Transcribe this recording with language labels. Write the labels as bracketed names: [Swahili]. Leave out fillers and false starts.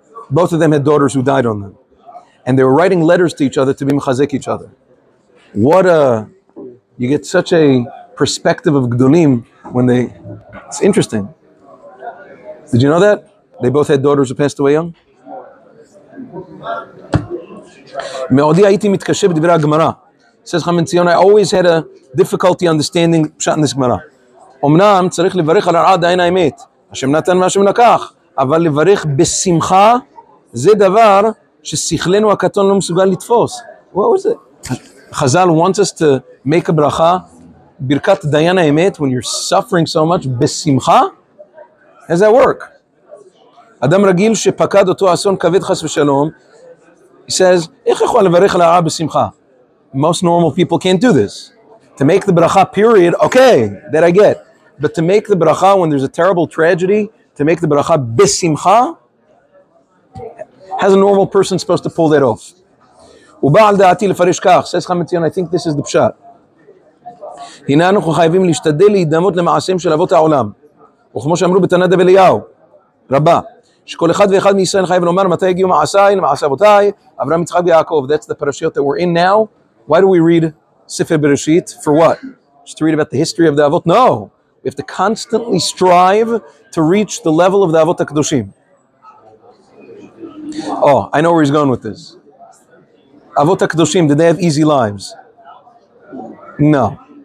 [English] Both of them had daughters who died on them. And they were writing letters to each other to be mechazek each other. What a, you get such a perspective of Gdolim when they, it's interesting. Did you know that? They both had daughters who passed away young? [Hebrew] מעודי הייתי מתקשה בדברי הגמרא. [English] Says Chacham Ben Tzion, I always had a difficulty understanding פשט in this גמרא. [Hebrew] אמנם צריך לברך על הרעה דיין האמת, השם נתן והשם לקח, אבל לברך בשמחה, זה דבר ששכלנו הקטון לא מסוגל לתפוס. [English] What was it? חזל wants us to make a ברכה, ברכת דיין האמת, when you're suffering so much, בשמחה? How's that work? [Hebrew] אדם רגיל שפקד אותו אסון כבד חס ושלום, [English] he says, [Hebrew] איך יכול לברך על הרעה בשמחה? [English] Most normal people can't do this. To make the bracha period, okay, that I get. But to make the bracha when there's a terrible tragedy, to make the bracha בשמחה, how's a normal person supposed to pull that off? [Hebrew] ובעל דעתי לפרש כך, [English] says Chacham Ben Tzion, I think this is the פשט. [Hebrew] הנה אנחנו חייבים להשתדל להידמות למעשים של אבות העולם. וכמו שאמרו בתנא דבליהו, רבה. שכל אחד ואחד מישראל חייב לומר מתי הגיעו מעשיי למעשה אבותיי, אברהם יצחק ויעקב. [English] That's the parashiyot that we're in now. Why do we read Sefer Bereshit? For what? Just to read about the history of the Avot? No! We have to constantly strive to reach the level of the Avot HaKadoshim. Oh, I know where he's going with this. Avot HaKadoshim, did they have easy lives? No.